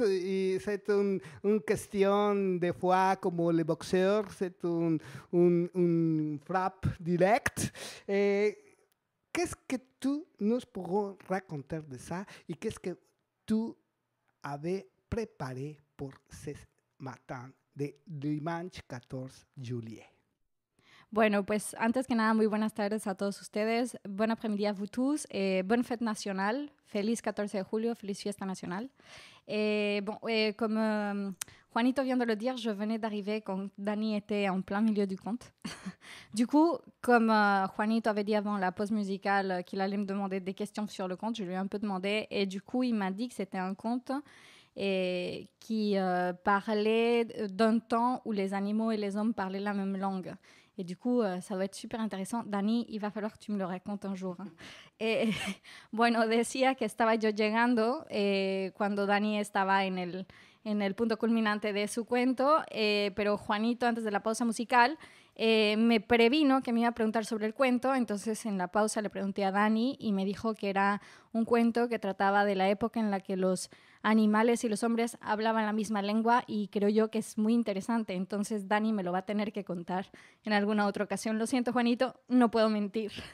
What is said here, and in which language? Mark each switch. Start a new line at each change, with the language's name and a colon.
French: Et c'est une question des fois comme les boxeurs, c'est une frappe directe. Et qu'est-ce que tu nous pourrons raconter de ça et qu'est-ce que tu avais préparé pour ce matin de dimanche 14 juillet?
Spanish: Bueno, pues antes que nada, muy buenas tardes a todos ustedes.
French: Buen après-midi a vous tous. Bonne fête nationale.
Spanish: Feliz 14 de julio. Feliz fiesta nacional.
French: Comme Juanito vient de le dire, je venais d'arriver quand Dani était en plein milieu du conte. Du coup, comme Juanito avait dit avant la pause musicale qu'il allait me demander des questions sur le conte, je lui ai un peu demandé. Et du coup, il m'a dit que c'était un conte et qui parlait d'un temps où les animaux et les hommes parlaient la même langue. Et du coup, ça va être super intéressant. Dani, il va falloir que tu me le racontes un jour.
Spanish: Et, bueno, decía que estaba yo llegando cuando Dani estaba en el punto culminante de su cuento, pero Juanito, antes de la pausa musical, me previno que me iba a preguntar sobre el cuento, entonces en la pausa le pregunté a Dani y me dijo que era un cuento que trataba de la época en la que los animales y los hombres hablaban la misma lengua y creo yo que es muy interesante, entonces Dani me lo va a tener que contar en alguna otra ocasión. Lo siento, Juanito, no puedo mentir.